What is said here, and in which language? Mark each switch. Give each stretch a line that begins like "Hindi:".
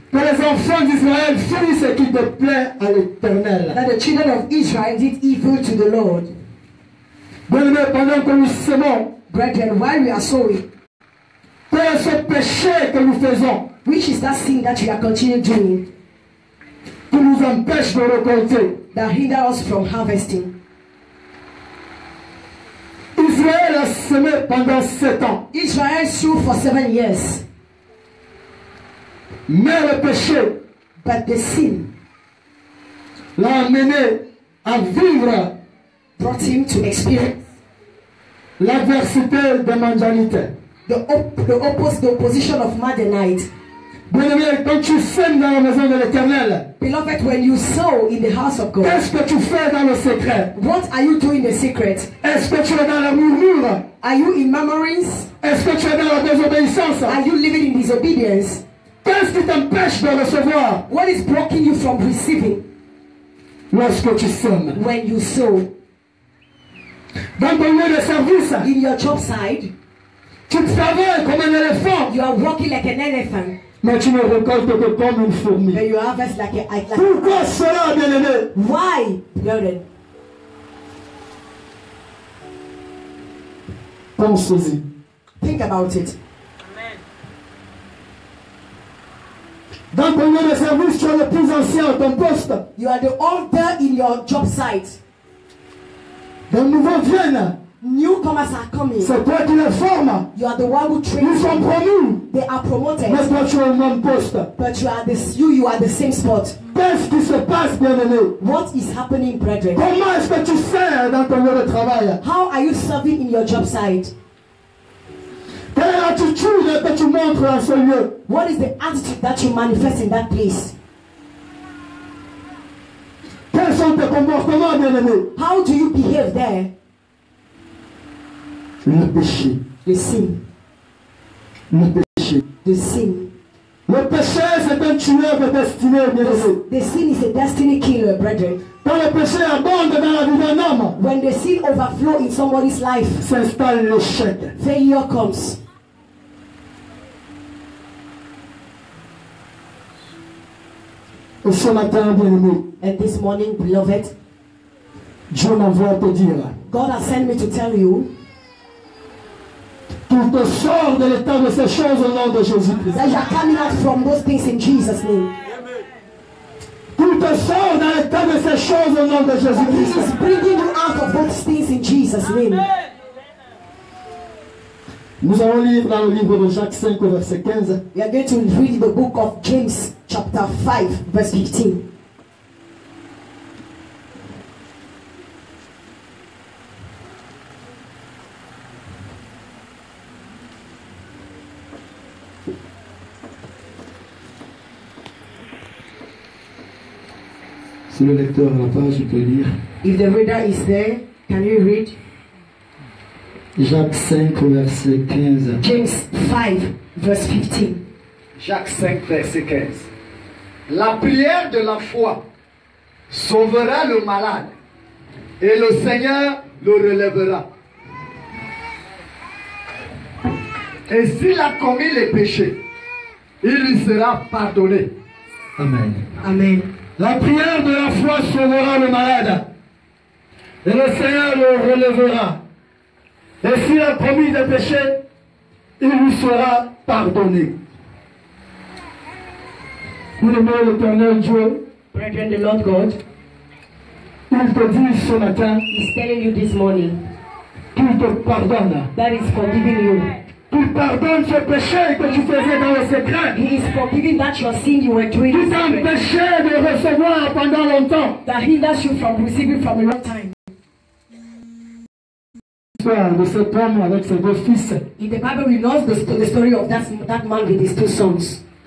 French: Que les enfants d'Israël firent ce qui déplaît à l'Éternel.
English: That the children of Israel did evil to the Lord.
French: Bien-aimés, pendant que nous semons.
English: Brethren, while we are sowing.
French: Quel est ce péché que nous faisons?
English: Which is that sin that we are continuing doing?
French: Qui nous empêche de récolter?
English: That hinder us from harvesting.
French: Israël a semé pendant 7 ans.
English: Israel sowed for 7 years.
French: Mais le péché.
English: But the sin.
French: L'a amené à vivre.
English: Brought him to experience.
French: L'adversité de Madianite.
English: The opposition of Madianite.
French: Bien-aimé, quand tu sèmes dans la maison de l'Éternel.
English: Beloved, when you sow in the house of God.
French: Qu'est-ce que tu fais dans le secret?
English: What are you doing in the secret?
French: Est-ce que tu es dans la murmure?
English: Are you in murmurings?
French: Est-ce que tu es dans la désobéissance?
English: Are you living in disobedience?
French: Qu'est-ce qui t'empêche de recevoir?
English: What is blocking you from receiving?
French: Lorsque tu sèmes.
English: When you sow.
French: Dans ton lieu de service.
English: In your job side.
French: Tu travailles comme un éléphant.
English: You are walking like an elephant.
French: Mais tu ne récoltes que comme une fourmi.
English: You harvest like a, like
French: pourquoi a... cela, bien-aimé?
English: Why, brethren?
French: Pensez-y.
English: Think about it. Amen.
French: Dans ton lieu de service, tu es le plus ancien à ton poste.
English: You are the older in your job site.
French: De nouveaux viennent.
English: Newcomers are coming.
French: C'est toi qui les formes.
English: You are the one who trains.
French: Ils sont promus.
English: They are promoted.
French: Mais toi tu es au même poste.
English: But you are the you are the same spot.
French: Qu'est-ce qui se passe, bien-aimé?
English: What is happening, brethren?
French: Comment est-ce que tu sers dans ton lieu de travail?
English: How are you serving in your job site?
French: Quelle est l'attitude que tu montres dans ce lieu?
English: What is the attitude that you manifest in that place?
French: Quels sont tes comportements, bien-aimé?
English: How do you behave there?
French: Le péché.
English: Le sin.
French: Le péché.
English: Le sin.
French: Le péché, c'est un tueur de destinée, bien-aimé.
English: The sin is a destiny killer, brethren.
French: Quand le péché abonde dans la vie d'un homme.
English: When the sin overflow in somebody's life.
French: S'installe l'échec.
English: Failure comes.
French: Et ce matin, bien-aimé.
English: And this morning, beloved.
French: Dieu m'envoie te dire.
English: God has sent me to tell you.
French: Tu te sors de l'état de ces choses au nom de Jésus-Christ.
English: That you are coming out from those things in Jesus' name.
French: Tu te sors de l'état de ces choses au nom de Jésus-Christ.
English: He is bringing you out of those things in Jesus' name.
French: Nous allons lire dans le livre de Jacques 5 au verset 15.
English: We are going to read the book of James chapter 5 verse 15.
French: Si le lecteur n'a pas, je peux lire.
English: If the reader is there, can you read?
French: Jacques 5, verset 15.
English: James 5, verse 15.
French: Jacques 5, verset 15. La prière de la foi sauvera le malade et le Seigneur le relèvera. Et s'il a commis les péchés, il lui sera pardonné. Amen. Amen. La prière de la foi sauvera le malade et le Seigneur le relèvera. Et s'il a commis des péchés, il lui sera pardonné. Nous aimons l'éternel Dieu.
English: Brethren, the Lord God.
French: Il te dit ce matin.
English: He's telling you this morning.
French: Qu'il te pardonne.
English: That is forgiving you.
French: Qu'il pardonne ce péché que tu faisais dans le secret.
English: He is forgiving that your sin you were doing.
French: Qu'il t'empêchait de recevoir pendant longtemps.
English: That hinders you from receiving from a long time.
French: De cet homme avec ses deux fils.
English: In the Bible, we know the story of that man with his two sons.